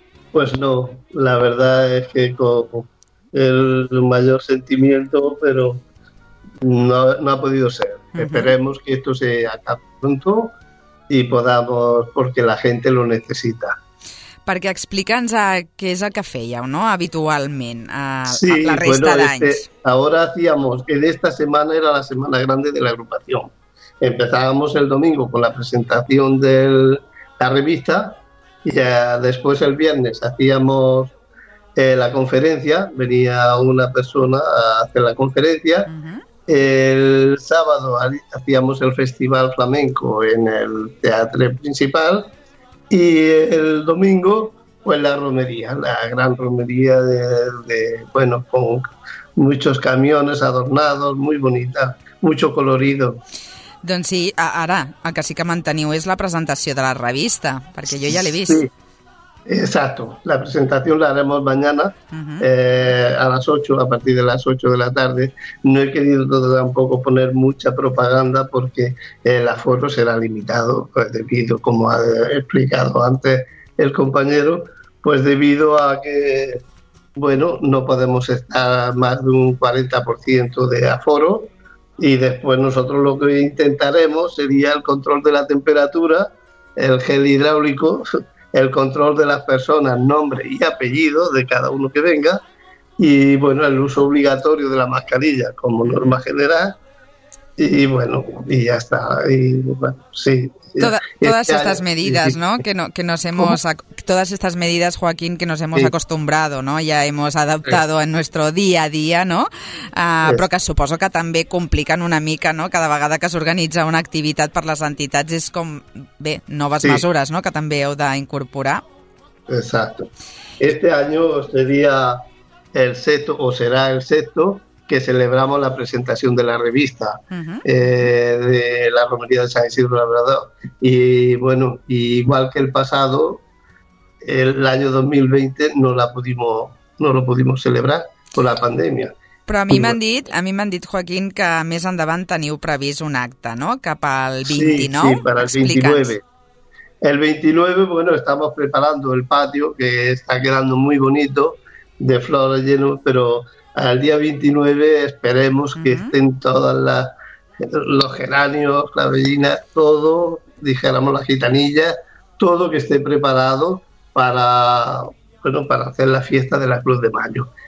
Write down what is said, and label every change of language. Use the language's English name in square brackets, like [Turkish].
[Spanish] Pues no, la verdad es que el mayor sentimiento, pero... No ha podido ser. Uh-huh. Esperemos que esto se acabe pronto y podamos, porque la gente lo necesita. [Catalan] Perquè explica'ns què és el que fèieu, no? Habitualment, sí, la resta bueno, d'anys. [Spanish] Ahora hacíamos, en esta semana era la semana grande de la agrupación. Empezábamos el domingo con la presentación de la revista y ya después el viernes hacíamos... la conferencia, venía una persona a hacer la conferencia. Uh-huh. El sábado hacíamos el festival flamenco en el teatro principal y el domingo pues la romería, la gran romería de bueno, con muchos camiones adornados, muy bonita, mucho colorido. [Catalan] Doncs sí, ara el que sí que manteniu és la presentació de la revista, perquè jo ja l'he vist. Sí. [Spanish] Exacto, la presentación la haremos mañana. Uh-huh. A las 8, a partir de las 8 de la tarde. No he querido tampoco poner mucha propaganda porque el aforo será limitado, pues debido, como ha explicado antes el compañero, pues debido a que, bueno, no podemos estar más de un 40% de aforo y después nosotros lo que intentaremos sería el control de la temperatura, el gel hidráulico, el control de las personas, nombre y apellido de cada uno que venga y, bueno, el uso obligatorio de la mascarilla como norma general y, bueno, y ya está. Y, bueno, sí. Todas estas medidas, ¿no? Todas estas medidas, Joaquín, que nos hemos acostumbrado, ¿no? Ya hemos adaptado en nuestro día a día, ¿no? [Catalan] Però que suposo que també compliquen una mica, ¿no? Cada vegada que s'organitza una activitat per les entitats és com, bé, noves mesures, ¿no? Que també heu d'incorporar. [Spanish] Exacto. Este año sería el sexto, o será el sexto, que celebramos la presentación de la revista. Uh-huh. De la Romería de San Isidro Labrador. Y bueno, igual que el pasado, el año 2020 no lo pudimos celebrar por la pandemia. [Catalan] Però a mi m'han dit, Joaquín, que més endavant teniu previst un acte, no? Cap al 29? [Spanish] Sí, para el 29. El 29, bueno, estamos preparando el patio, que está quedando muy bonito, de flores lleno, pero... Al día 29 esperemos que estén todas los geranios, la bellina, todo, dijéramos las gitanillas, todo que esté preparado para hacer la fiesta de la Cruz de Mayo.